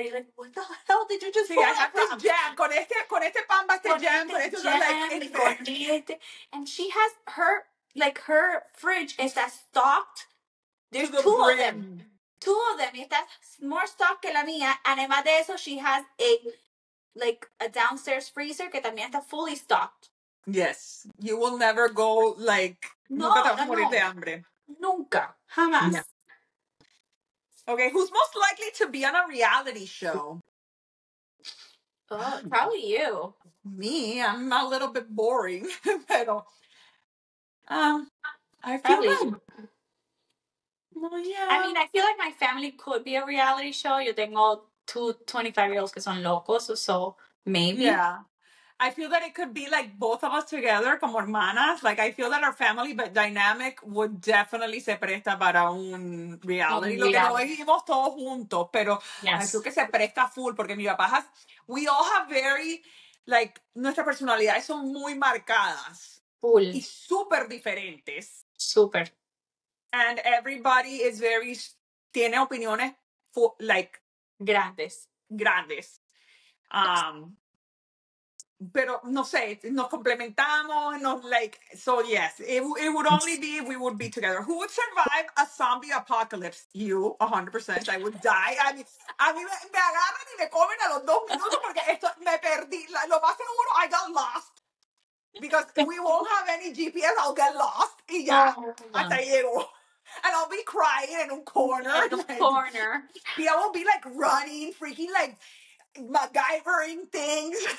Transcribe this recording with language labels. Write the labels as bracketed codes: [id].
[en] You're like, what the hell did you just say? Yeah, I have this jam. [es] Con este pan, va este [en] jam. And she has her, like, her fridge is that stocked. There's two of them. Two of them. It's more stocked [es] que la mía. Además de eso, [en] she has a, like, a downstairs freezer [es] que también está [en] fully stocked. Yes. You will never go, like, [es] no, nunca te vas a morir de hambre. Nunca. Jamás. [en] No. Okay, who's most likely to be on a reality show? Oh, probably you. Me? I'm a little bit boring. But, I feel like... Well, yeah. I mean, I feel like my family could be a reality show. [es] Yo tengo [en] 2 25-year-olds [es] que son locos, [en] so maybe. Yeah. I feel that it could be like both of us together, [es] como hermanas. [en] Like, I feel that our family but dynamic would definitely [es] se presta para un reality. [en] Yeah. [es] Lo que no vivimos todos juntos, pero [en] yes. I feel [es] que se presta full porque mi papá [en] has, we all have very, like, [es] nuestras personalidades son muy marcadas. [en] Full. [es] Y super diferentes. Super. [en] And everybody is very, [es] tiene opiniones full, [en] like, [es] grandes. Grandes. Pero no sé, nos complementamos, no, [en] like, so yes, it would only be if we would be together. Who would survive a zombie apocalypse? You, 100%. I would die. [es] A mí me agarran y me comen a los dos minutos porque esto me perdí. Lo más seguro, [en] I got lost. Because we won't have any GPS, I'll get lost. [es] Y ya, hasta ahí llego. [en] And I'll be crying in a corner. In a corner. Yeah, I will be like running, freaking like MacGyvering things.